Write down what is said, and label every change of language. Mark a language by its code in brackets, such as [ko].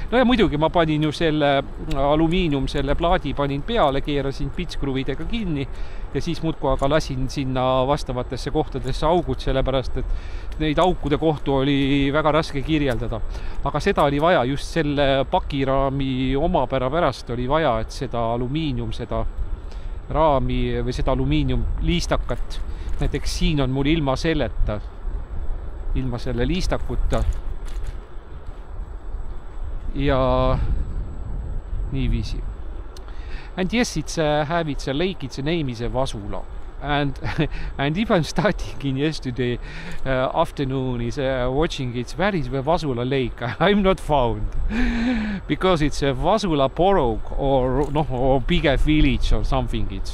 [et] No ja muidugi ma panin ju selle alumiinium, selle plaadi panin peale, keerasin pitskruvidega kinni ja siis muudku aga lasin sinna vastavatesse kohtadesse augud, sellepärast, et neid aukude kohtu oli väga raske kirjeldada. Aga seda oli vaja, just selle pakiraami omapära pärast oli vaja, et seda alumiinium, seda raami või seda alumiinium liistakat, näiteks siin on mul ilma selleta. Ilma selle liistakuta ja niiviisi. [en] And yes, it's a lake, it's a name is a Vasula. And if I'm starting in yesterday afternoon is watching it's where is the Vasula lake? I'm not found. Because it's a Vasula borough or bigger village or something.